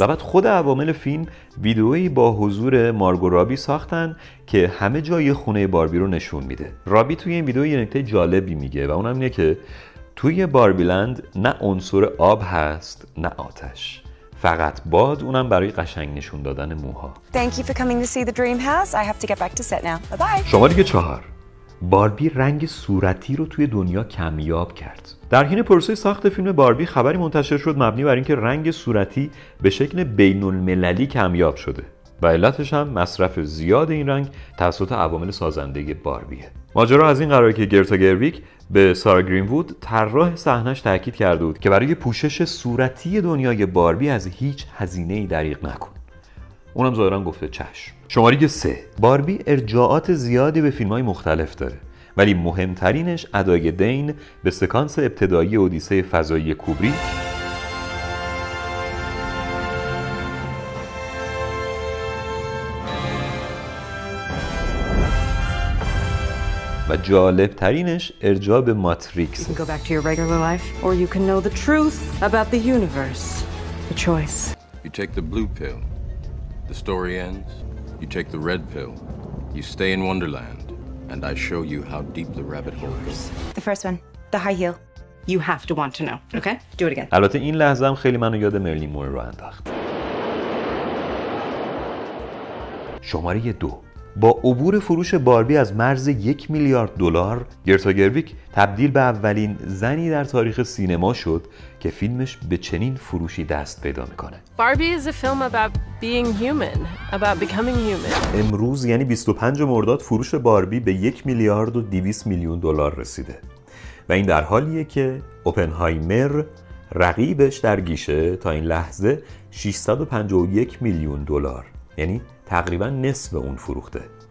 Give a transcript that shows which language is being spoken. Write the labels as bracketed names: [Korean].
[Persian] و بعد خود عوامل فیلم ویدئویی با حضور مارگو رابی ساختن که همه جای خونه باربی رو نشون میده. رابی توی این ویدئو یه نکته جالبی میگه و اونم اینه که توی باربی لند نه عنصر آب هست نه آتش، فقط باد، اونم برای قشنگ نشون دادن موها. [English] Thank you for coming to see the dream house. I have to get back to set now. Bye bye. [Persian] شماره 4، باربی رنگ صورتی رو توی دنیا کمیاب کرد. در حین پروسه ساخت فیلم باربی خبری منتشر شد مبنی بر اینکه رنگ صورتی به شکل بین‌المللی کمیاب شده و علتش هم مصرف زیاد این رنگ توسط عوامل سازندگی باربیه. ماجرا از این قراره که گرتا گرویک به سارا گرین‌وود طراح صحنه‌اش تاکید کرده بود که برای پوشش صورتی دنیای باربی از هیچ هزینه‌ای دریغ نکن. اونم ظاهرا گفته چشم. شماره 3، باربی ارجاعات زیادی به فیلم‌های مختلف داره ولی مهمترینش ادای دین به سکانس ابتدایی اودیسه فضایی کوبریک و جالب ترینش ارجاع به ماتریکس. [English] You can go back to your regular life or you can know the truth about the universe. The choice. You take the blue pill. The story ends. You take the red pill. You stay in Wonderland and I show you how deep the rabbit hole goes. The first one, the high heel. You have to want to know. Okay? Do it again. [Persian] البته این لحظه هم خیلی منو یاد مرلین مور رو انداخت. شماره 2. با عبور فروش باربی از مرز 1 میلیارد دلار، گرتا گرویک تبدیل به اولین زنی در تاریخ سینما شد که فیلمش به چنین فروشی دست پیدا میکنه. [English] Barbie is a film about being human, about becoming human. [Persian] امروز یعنی 25 مرداد فروش باربی به 1 میلیارد و 200 میلیون دلار رسیده. و این در حالیه که اوپنهایمر رقیبش در گیشه تا این لحظه 651 میلیون دلار، یعنی تقریبا نصف اون فروخته.